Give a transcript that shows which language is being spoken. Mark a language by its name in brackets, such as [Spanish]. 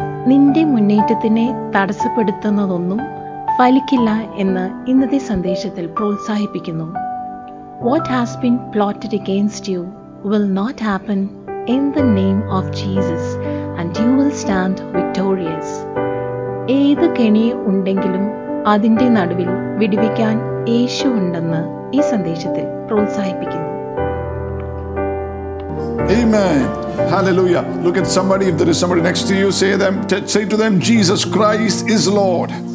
[Malayalam] നിന്റെ മുന്നേറ്റത്തിനെ തടസ്സപ്പെടുത്തുന്നതൊന്നും ഫലിക്കില്ല എന്ന് ഇന്നത്തെ സന്ദേശത്തിൽ പ്രോത്സാഹിപ്പിക്കുന്നു. [English] What has been plotted against you will not happen in the name of Jesus, and you will stand victorious. [Malayalam] ഏത് കെണി ഉണ്ടെങ്കിലും അതിൻ്റെ നടുവിൽ വിടുവിക്കാൻ യേശു ഉണ്ടെന്ന് ഈ സന്ദേശത്തിൽ പ്രോത്സാഹിപ്പിക്കുന്നു. [English] Amen. Hallelujah. Look at somebody. If there is somebody next to you, say to them, Jesus Christ is Lord.